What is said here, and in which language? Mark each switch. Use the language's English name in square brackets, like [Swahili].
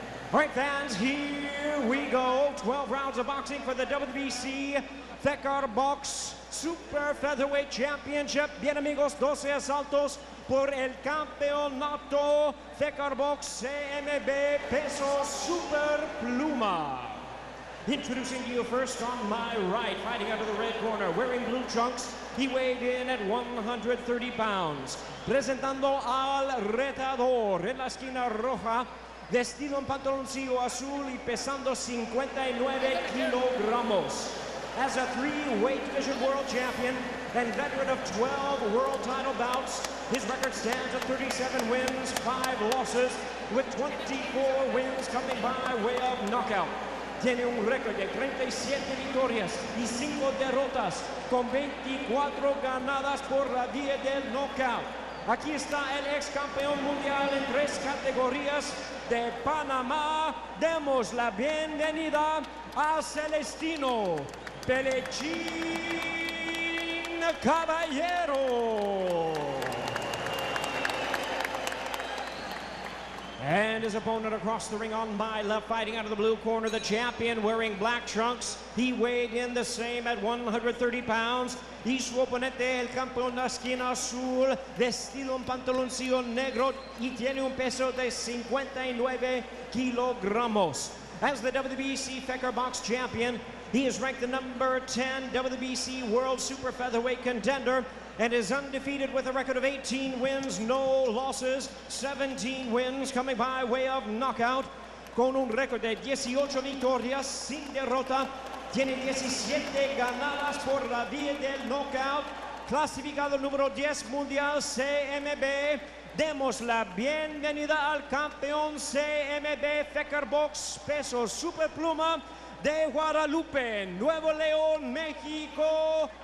[English] All right, fans, here we go. 12 rounds of boxing for the WBC FECAR Box Super Featherweight Championship. [Spanish] Bien, amigos, 12 asaltos por el campeonato FECAR Box CMB Peso Super Pluma. [English] Introducing you first on my right, fighting out of the red corner, wearing blue trunks, he weighed in at 130 pounds. [Spanish] Presentando al retador en la esquina roja, vestido en pantaloncillo azul y pesando 59 kilogramos. [English] As a three-weight division world champion and veteran of 12 world title bouts, his record stands at 37 wins, 5 losses, with 24 wins coming by way of knockout. [Spanish] Tiene un récord de 37 victorias y 5 derrotas, con 24 ganadas por la vía del knockout. Aquí está el ex campeón mundial en 3 categorías de Panamá. Demos la bienvenida a Celestino Pelenchín Caballero. [English] And his opponent across the ring on my left, fighting out of the blue corner, the champion wearing black trunks. He weighed in the same at 130 pounds. [Spanish] Y su oponente, el campeón de esquina azul, vestido en pantaloncillo negro y tiene un peso de 59 kilogramos. [English] As the WBC FECAR Box champion, he is ranked the number 10 WBC World Super Featherweight contender and is undefeated with a record of 18 wins, no losses, 17 wins coming by way of knockout. [Spanish] Con un récord de 18 victorias sin derrota, tiene 17 ganadas por la vía del knockout. Clasificado número 10 mundial CMB, demos la bienvenida al campeón CMB FECAR Box Peso Super Pluma de Guadalupe, Nuevo León, México.